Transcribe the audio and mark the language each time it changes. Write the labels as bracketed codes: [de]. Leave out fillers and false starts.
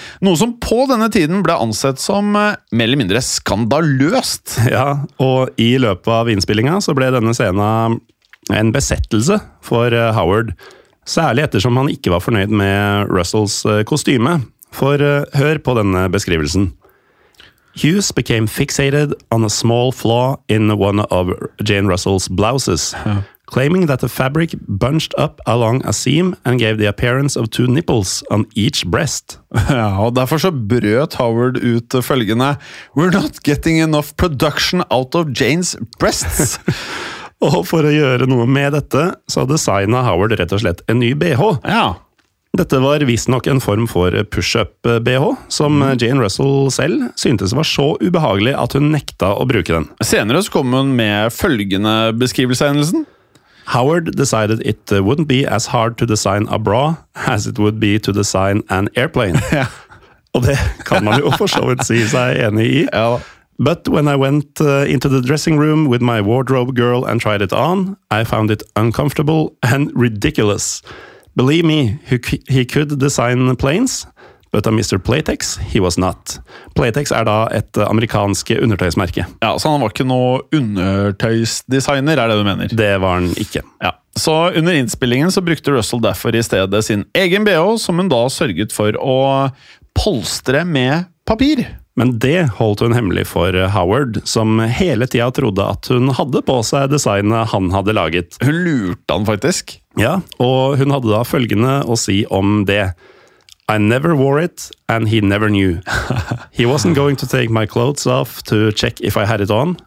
[no] Noe som på denne tiden ble ansett som mer eller mindre skandaløst. Ja, og i løpet av innspillingen så ble denne scenen en besettelse for Howard, særlig ettersom han ikke var fornøyd med Russells kostyme. For hør på denne beskrivelsen. [en] Hughes became fixated on a small flaw in one of Jane Russell's blouses, claiming that the fabric bunched up along a seam and gave the appearance of two nipples on each breast. [no] Ja, og derfor så brøt Howard ut følgende. [en] We're not getting enough production out of Jane's breasts. [no] Og for å gjøre noe med dette, så designet Howard rett og slett en ny BH. Ja. Dette var visst nok en form for push-up-BH, som Jane Russell selv syntes var så ubehagelig at hun nekta å bruke den. Senere så kom hun med følgende beskrivelse av hendelsen. [en] Howard decided it wouldn't be as hard to design a bra as it would be to design an airplane. [no] Ja. Og det kan man jo for så vidt si seg enig i. Ja. [en] But when I went into the dressing room with my wardrobe girl and tried it on, I found it uncomfortable and ridiculous. Believe me, he could design planes, but a Mr. Playtex, he was not. [no] Playtex er da et amerikanske undertøysmerke. Ja, så han var ikke noe undertøysdesigner, det du mener? Det var han ikke. Ja. Så under innspillingen så brukte Russell derfor i stedet sin egen BH, som hun da sørget for å polstre med papir. Men det holdt hun hemmelig for Howard, som hele tiden trodde at hun hadde på seg designet han hadde laget. Hun lurte han faktisk. Ja, og hun hadde da følgende å si om det. [en] I never wore it, and he never knew. He wasn't going to take my clothes off to check if I had it on.